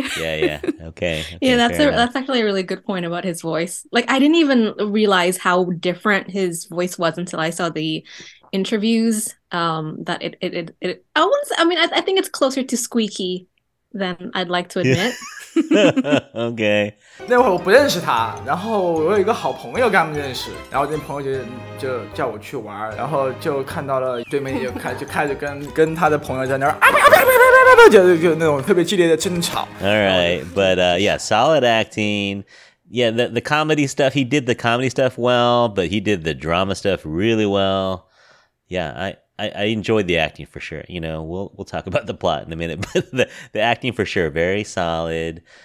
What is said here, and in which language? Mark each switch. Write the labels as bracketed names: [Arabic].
[English] Okay. Yeah, that's actually a really good point about his voice. Like, I didn't even realize how different his voice was until I saw the interviews. I think it's closer to squeaky than I'd like to admit. Okay. [Chinese] 那会我不认识他，然后我有一个好朋友刚认识，然后我那朋友就叫我去玩，然后就看到了对面就开始跟他的朋友在那儿啊啪啪啪啪啪啪啪，就那种特别激烈的争吵。 [English] All right, but solid acting. Yeah, the comedy stuff, he did the comedy stuff well, but he did the drama stuff really well. Yeah, I enjoyed the acting for sure. You know, we'll talk about the plot in a minute, but the acting for sure, very solid.